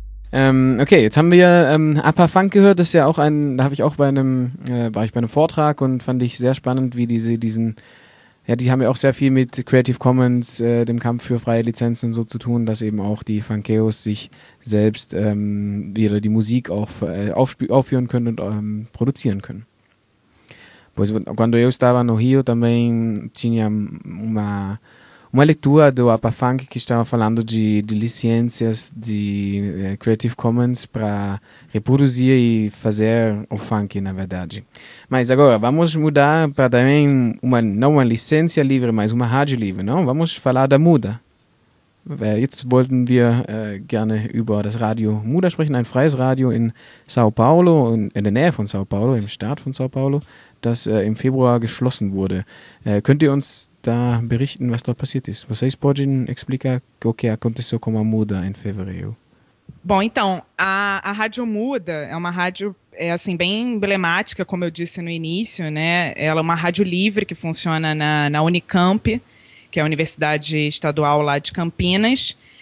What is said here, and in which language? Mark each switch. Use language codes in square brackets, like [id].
[de] Okay, jetzt haben wir Upper Funk gehört. Das ist ja auch ein, da habe ich auch bei einem, war ich bei einem Vortrag und fand ich sehr spannend, wie diese diesen, ja, die haben ja auch sehr viel mit Creative Commons, dem Kampf für freie Lizenzen und so zu tun, dass eben auch die Funkeos sich selbst wieder die Musik auch aufführen können und produzieren können. [pt] Pois quando eu estava no Rio também tinha uma leitura do Upper Funk que estava falando de licenças de Creative Commons para reproduzir e fazer o funk, na verdade. Mas agora, vamos mudar para também, não uma licença livre, mas uma rádio livre, não? Vamos falar da Muda. [de] Jetzt wollten wir gerne über das Radio Muda sprechen, ein freies Radio in São Paulo, in der Nähe von São Paulo, im Staat von São Paulo, das im Februar geschlossen wurde. Könnt ihr uns da berichten, was dort passiert ist? [pt] Vocês podem explicar o que aconteceu com a Muda em fevereiro? Bom, então, a Rádio Muda é uma rádio assim, bem emblemática, como eu disse no início, né? Ela é uma rádio livre que funciona na Unicamp, que é a Universidade Estadual lá de Campinas.